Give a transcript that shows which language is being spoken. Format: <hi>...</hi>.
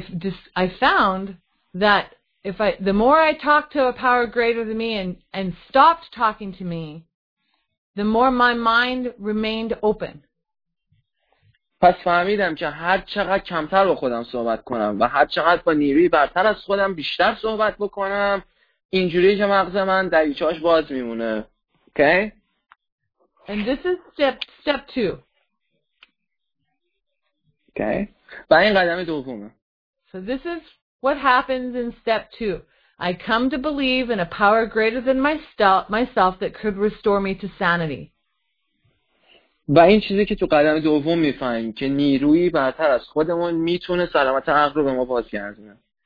<en>So I found that the more I talked to a power greater than me and stopped talking to me, the more my mind remained open.</en> <fa>پس فهمیدم که هر چقدر کمتر با خودم صحبت کنم و هر چقدر با نیروی برتر از خودم بیشتر صحبت بکنم، اینجوری که مغز من دریچه‌اش باز میمونه.</fa> <en>Okay? And this is step two.</en> <fa>Okay. و این قدم دومه.</fa> <en>So this is what happens in step two. I come to believe in a power greater than myself that could restore me to sanity.</en> <fa>و این چیزی که تو قدم دوم میفهمیم که نیرویی برتر از خودمون میتونه سلامت عقل رو به ما بازگردونه.</fa>